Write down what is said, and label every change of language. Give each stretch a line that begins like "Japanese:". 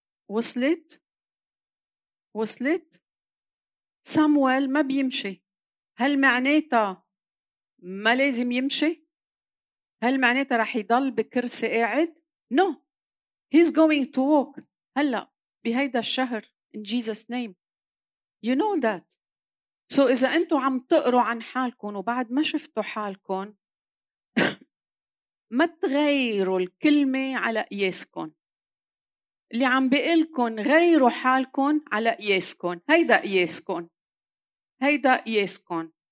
Arabic: وصلت؟ وصلت؟ سامويل ما بيمشي، هل معناتها ما لازم يمشي؟ هل معناتها رح يضل بكرسي قاعد؟
English: No. He's going to walk.
Arabic: هلأ بهيدا الشهر.
English: In Jesus name. You know that.
Arabic: So إذا أنتوا عم تقروا عن حالكم وبعد ما شفتوا حالكم، ما تغيروا الكلمة على قياسكم. اللي عم بيقلكم غيروا حالكم على قياسكم. هيدا قياسكم. هيدا قياسكم.